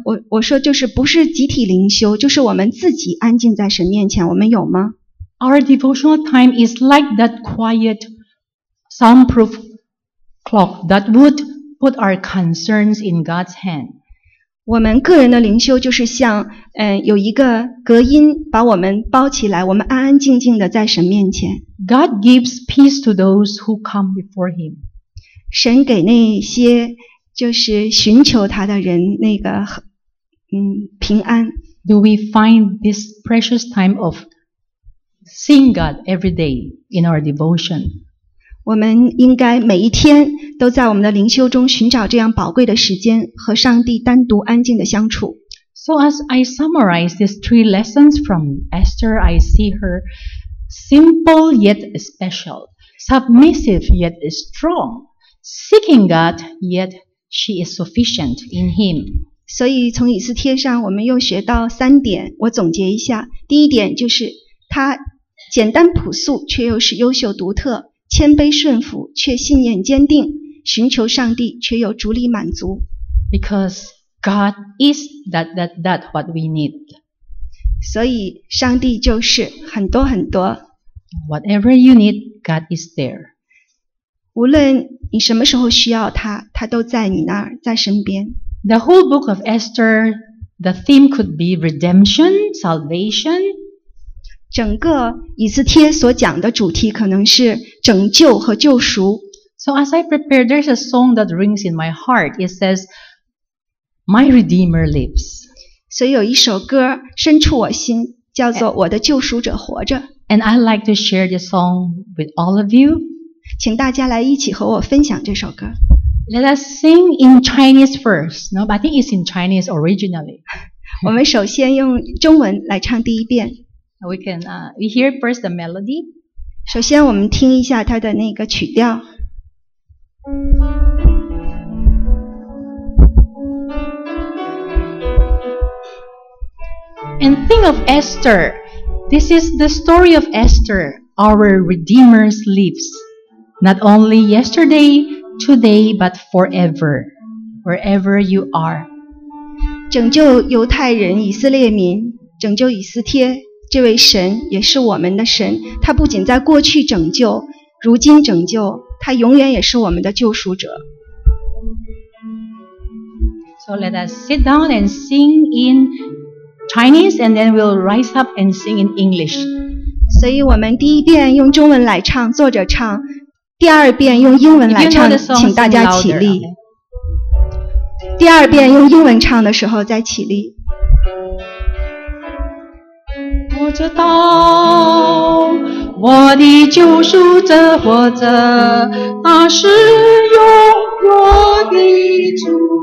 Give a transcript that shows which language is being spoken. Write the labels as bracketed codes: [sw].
[zh] 我说就是不是集体灵修，就是我们自己安静在神面前，我们有吗？ [en] Our devotional time is like that quiet soundproof clock that would put our concerns in God's hand. [zh] 我们个人的灵修就是像有一个隔音把我们包起来，我们安安静静的在神面前。 [en] God gives peace to those who come before Him. [zh] 神给那些就是寻求他的人那个平安。 [en] Do we find this precious time of seeing God every day in our devotion? [zh] 我们应该每一天都在我们的灵修中寻找这样宝贵的时间和上帝单独安静的相处。 [en] So as I summarize these three lessons from Esther, I see her simple yet special, submissive yet strong, seeking God yet she is sufficient in Him. [zh] 所以从以斯帖上我们又学到三点，我总结一下。第一点就是她简单朴素却又是优秀独特，谦卑顺服却信念坚定，寻求上帝却有主力满足。 [en] Because God is that what we need. [zh] 所以上帝就是很多很多。 [en] Whatever you need, God is there. [zh] 无论你什么时候需要他，他都在你那儿，在身边。 [en] The whole book of Esther, the theme could be redemption, salvation. [zh] 整个以斯帖所讲的主题可能是拯救和救赎。 [en] So as I prepare, there's a song that rings in my heart. It says, "My Redeemer lives." [zh] 所以有一首歌深处我心，叫做《我的救赎者活着》。 [en] And I'd like to share this song with all of you. [zh] 请大家来一起和我分享这首歌。 [en] Let us sing in Chinese first. No, but I think it's in Chinese originally. [zh] 我们首先用中文来唱第一遍。 [en] We can we hear first the melody. [zh] 首先我们听一下它的那个曲调。 [en] And think of Esther. This is the story of Esther, our Redeemer's lives. Not only yesterday, today, but forever, wherever you are. [zh] 拯救犹太人以色列民，拯救以斯帖。这位神也是我们的神，他不仅在过去拯救，如今拯救，他永远也是我们的救赎者。 [en] So let us sit down and sing in Chinese, and then we'll rise up and sing in English. [zh] 所以我们第一遍用中文来唱，坐着唱；第二遍用英文来唱， [en] you know the song, [zh] 请大家起立。第二遍用英文唱的时候再起立。我知道我的救赎者活着，他是永远的主。